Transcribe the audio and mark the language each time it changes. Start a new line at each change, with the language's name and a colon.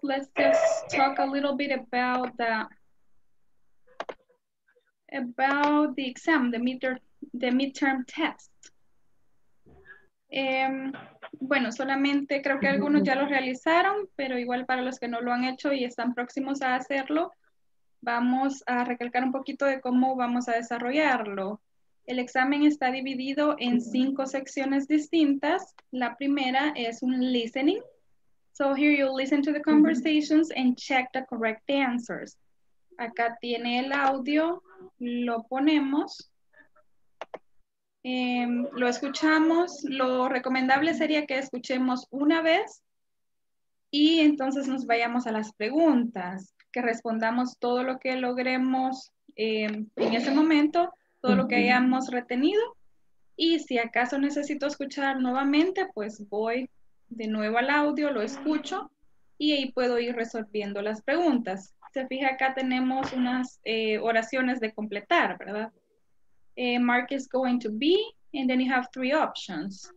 English: Let's just talk a little bit about the exam, the midterm test.
Spanish: Bueno, solamente creo que algunos ya lo realizaron, pero igual para los que no lo han hecho y están próximos a hacerlo, vamos a recalcar un poquito de cómo vamos a desarrollarlo. El examen está dividido en 5 secciones distintas. La primera es un listening.
English: So here you listen to the conversations and check the correct answers.
Spanish: Acá tiene el audio, lo ponemos. Lo escuchamos, lo recomendable sería que escuchemos una vez y entonces nos vayamos a las preguntas, que respondamos todo lo que logremos en ese momento, todo lo que hayamos retenido, y si acaso necesito escuchar nuevamente, pues voy de nuevo al audio, lo escucho y ahí puedo ir resolviendo las preguntas. Se fija, acá tenemos unas oraciones de completar, ¿verdad?
English: Mark is going to be, and then you have 3 options.